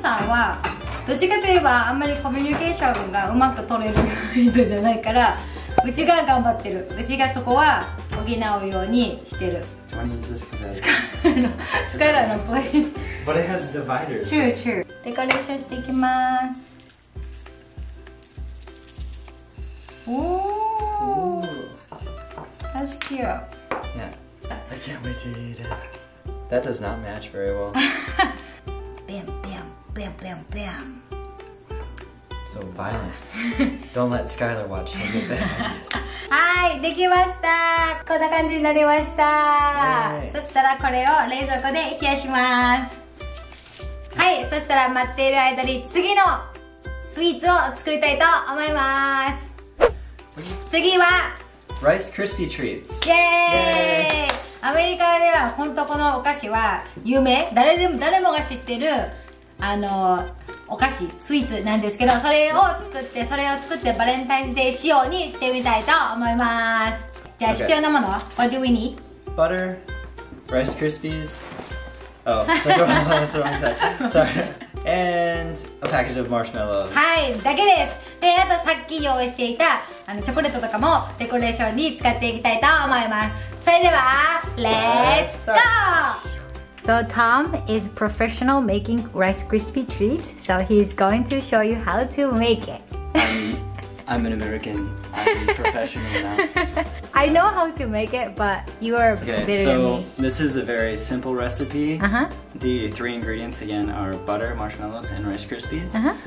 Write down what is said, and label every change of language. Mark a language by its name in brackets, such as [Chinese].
[Japanese] さんはどっちかといえばあんまりコミュニケーションがうまく取れる人じゃないから。うちが頑張ってる。うちがそこは補うようにしてる。 [English] Do you want to use this? Because I don't know. I don't know, please. But it has dividers. True, true. [Japanese] デコレーションしていきます。 [English] おー That's cute. Yeah. I can't wait to eat it. That does not match very well. Bam, bam, bam, bam, bam. So violent. Don't let Skylar watch. Don't get [Japanese] はい、できました。こんな感じになりました。 [English] Yay. [Japanese] そしたらこれを冷蔵庫で冷やします。はい、そしたら待っている間に次のスイーツを作りたいと思います。次は [English] Rice Krispie Treats。 [Japanese] イエーイ。アメリカでは本当このお菓子は有名。誰もが知ってるあの。お菓子、スイーツなんですけど、それを作ってバレンタインズデー仕様にしてみたいと思います。じゃあ、okay. 必要なものは [English] What do we need? Butter, Rice Krispies. Oh, that's the wrong side. Sorry. And a package of marshmallows. [Japanese] はい、だけです。で、あとさっき用意していたあのチョコレートとかもデコレーションに使っていきたいと思います。それでは、 [English] Let's go! So Tom is professional making Rice Krispie treats, so he's going to show you how to make it. I'm an American. I'm professional now. Yeah. I know how to make it, but you are okay, better so than me. So this is a very simple recipe. Uh-huh. The three ingredients again are butter, marshmallows, and Rice Krispies. Uh-huh.